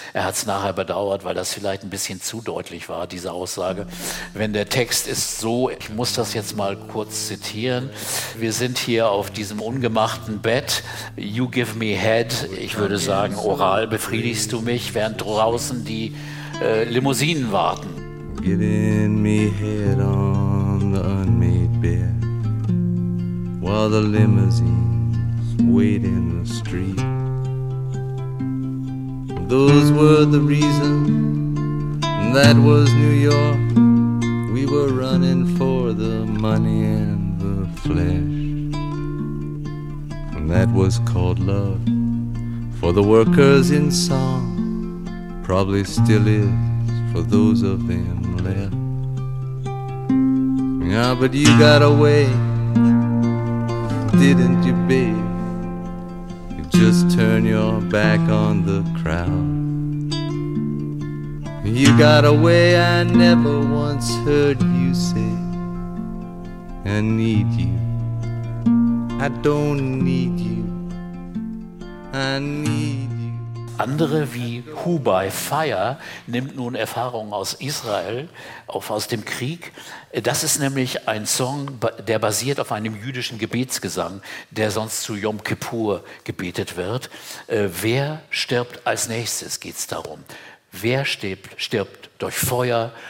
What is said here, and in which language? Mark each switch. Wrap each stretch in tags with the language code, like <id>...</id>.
<de>Er hat es nachher bedauert, weil das vielleicht ein bisschen zu deutlich war, diese Aussage. Wenn der Text ist so, ich muss das jetzt mal kurz zitieren. Wir sind hier auf diesem ungemachten Bett.</de> <en>You give me head.</en> <de>Ich würde sagen, oral befriedigst du mich, während draußen die Limousinen warten.</de> <en>Giving me head on the unmade bed. While the limousines wait in the street. Those were the reason that was New York. We were running for the money and the flesh. that was called love for the workers in song probably still is for those of them left. Yeah, but you got away, didn't you, babe? You just turn your back on the crowd. You got away, I never once heard you say, I need you, I don't need you, I need you.</en> <de>Andere wie Hubei Fire nimmt nun Erfahrungen aus Israel, auch aus dem Krieg. Das ist nämlich ein Song, der basiert auf einem jüdischen Gebetsgesang, der sonst zu Yom Kippur gebetet wird. Wer stirbt als nächstes, geht's darum. Wer stirbt durch Feuer?</de>